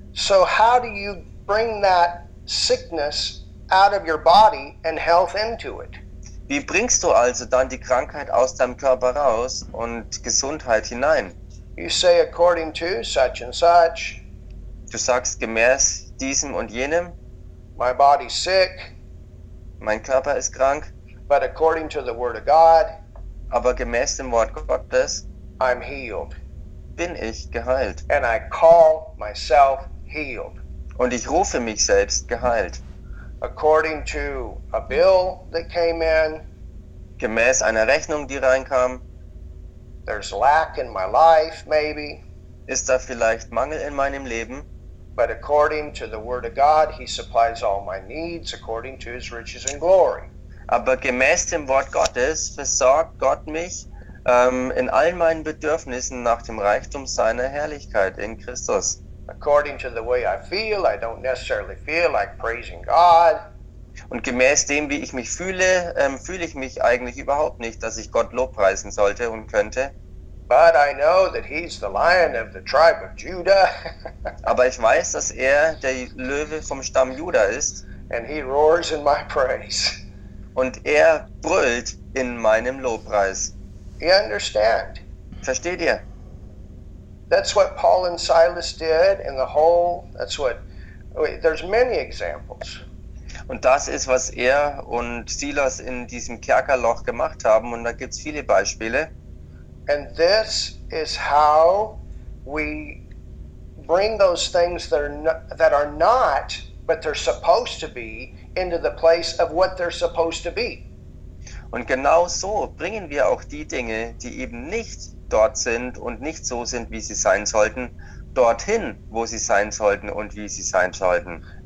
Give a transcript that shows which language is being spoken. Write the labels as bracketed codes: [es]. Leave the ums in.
[en] So how do you bring that sickness out of your body and health into it? [de] Wie bringst du also dann die Krankheit aus deinem Körper raus und Gesundheit hinein? [en] You say according to such and such. [de] Du sagst gemäß diesem und jenem. [en] My body's sick. [de] Mein Körper ist krank. [en] But according to the word of God. [de] Aber gemäß dem Wort Gottes. [en] I'm healed. [de] Bin ich geheilt. [en] And I call myself healed. [de] Und ich rufe mich selbst geheilt. [en] according to a bill that came in. [de] Gemäß einer Rechnung, die reinkam. [en] There's lack in my life, maybe. [de] Ist da vielleicht Mangel in meinem Leben? [en] But according to the word of God, he supplies all my needs according to his riches and glory. [de] Aber gemäß dem Wort Gottes versorgt Gott mich ähm, in all meinen Bedürfnissen nach dem Reichtum seiner Herrlichkeit in Christus [en] according to the way I feel. I don't necessarily feel like praising God. [de] Und gemäß dem, wie ich mich fühle, ähm, fühle ich mich eigentlich überhaupt nicht, dass ich Gott lobpreisen sollte und könnte. [en] But I know that he's the lion of the tribe of Judah. [de] Aber ich weiß, dass er der Löwe vom Stamm Juda ist. [en] And he roars in my praise. [de] Und er brüllt in meinem Lobpreis. [en] You understand? [de] Versteht ihr? [en] that's what Paul and Silas did in the whole that's what there's many examples [de] und das ist was er und Silas in diesem Kerkerloch gemacht haben und da gibt's viele Beispiele [en] and this is how we bring those things that are not, that are not but they're supposed to be into the place of what they're supposed to be [de] und genau so bringen wir auch die Dinge die eben nicht dort sind und nicht so sind, wie sie sein sollten, dorthin, wo sie sein sollten und wie sie sein sollten.